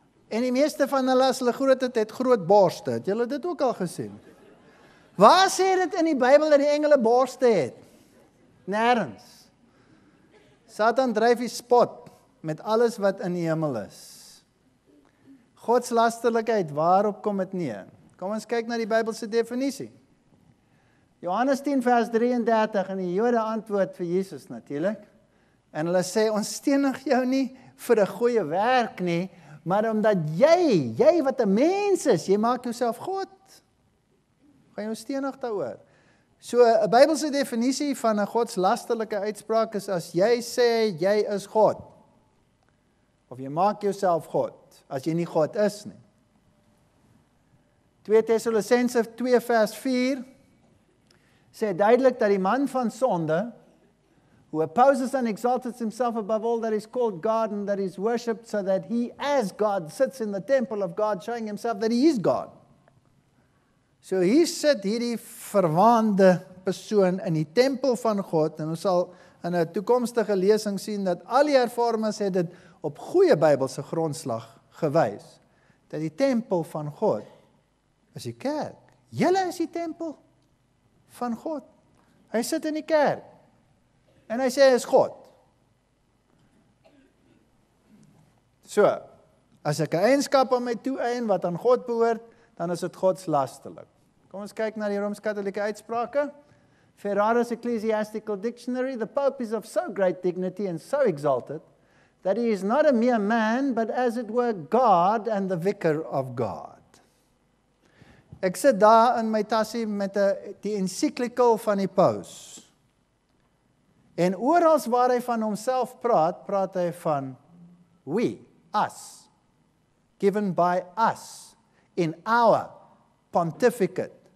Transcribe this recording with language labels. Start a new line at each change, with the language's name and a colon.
Afrikaans: En die meeste van hulle as hulle groot het, het groot borste. Het julle dit ook al gesien? Waar sê dit in die Bybel dat die engele borste het? Nêrens. Satan dryf die spot met alles wat in die hemel is. Gods lasterlikheid, waarop kom het neer? Kom ons kyk na die Bybelse definisie. Johannes 10 vers 33 en die Jode antwoord vir Jesus natuurlik. En hulle sê, ons stenig jou nie vir 'n goeie werk nie, maar omdat jy wat 'n mens is, jy maak jouself God. Gaan jou stenig daaroor. So, 'n Bybelse definisie van 'n Gods lasterlike uitspraak is as jy sê jy is God. Of jy maak jouself God, as jy nie God is nie. 2 Tessalonsense 2 vers 4 sê duidelik dat die man van sonde,
English: who opposes and exalts himself above all that is called God and that is worshipped so that he as God sits in the temple of God showing himself that he is God.
Afrikaans: So hier sit hierdie verwaande persoon in die tempel van God en ons sal in 'n toekomstige lesing sien dat al die hervormers het dit op goeie Bybelse grondslag gewys. Dat die tempel van God is die kerk. Julle is die tempel van God. Hy sit in die kerk en hy sê hy is God. So, as ek 'n eienskap aan my toeëien wat aan God behoort, dan is het godslasterlik. Kom ons kyk na die Rooms-Katolieke uitsprake.
English: Ferraris Ecclesiastical Dictionary, the Pope is of so great dignity and so exalted, that he is not a mere man, but as it were God and the vicar of God.
Afrikaans: Ek sit daar in my tassie met die encyclical van die paus.
English: En oorals waar hy van homself praat, praat hy van we, us, given by us. In our pontificate.